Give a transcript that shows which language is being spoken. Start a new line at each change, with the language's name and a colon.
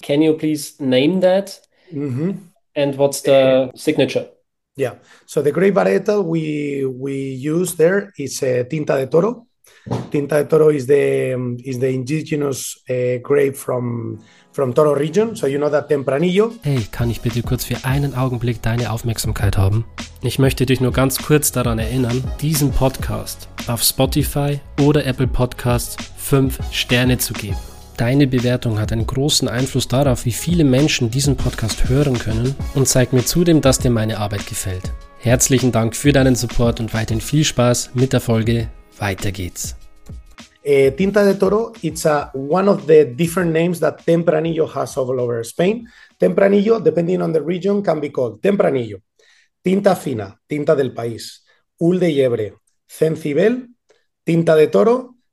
English: Can you please name that? And what's the signature? Yeah. So the grape varietal we use there is Tinta de Toro. Tinta de Toro is the indigenous grape from Toro region. So you know that Tempranillo.
German: Hey, kann ich bitte kurz für einen Augenblick deine Aufmerksamkeit haben? Ich möchte dich nur ganz kurz daran erinnern, diesen Podcast auf Spotify oder Apple Podcasts 5 Sterne zu geben. Deine Bewertung hat einen großen Einfluss darauf, wie viele Menschen diesen Podcast hören können und zeigt mir zudem, dass dir meine Arbeit gefällt. Herzlichen Dank für deinen Support und weiterhin viel Spaß mit der Folge. Weiter geht's.
English: Tinta de Toro, it's one of the different names that Tempranillo has all over Spain. Tempranillo, depending on the region, can be called Tempranillo, Tinta Fina, Tinta del País, Ul de Yebre, Cencibel, Tinta de Toro.